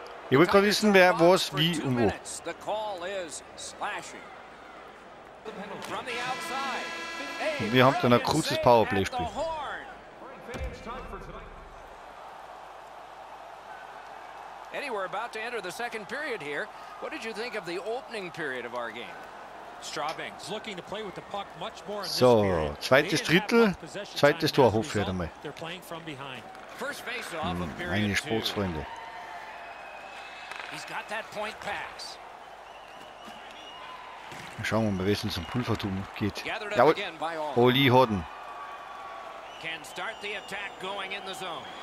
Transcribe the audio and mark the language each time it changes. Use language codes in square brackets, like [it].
[de] Ich will gerade wissen, wer, was, wie und wo. [en] The call is slashing. From the outside. [de] Und wir haben dann ein kurzes Powerplay-Spiel. [en] Eddie, we're about to enter the second period here. What did you think of the opening period of our game? Straubing's looking to play with the puck much more. [de] So, zweites Drittel, zweites Tor, hoffe ich einmal. [en] They're playing from behind. First face-off of period. [de] Meine Sportsfreunde. [en] He's got that point pass. [de] Mal schauen, ob wir wissen, zum Pulvertum geht. Jawohl. Oli Horden. [en] Can start the attack going in the zone.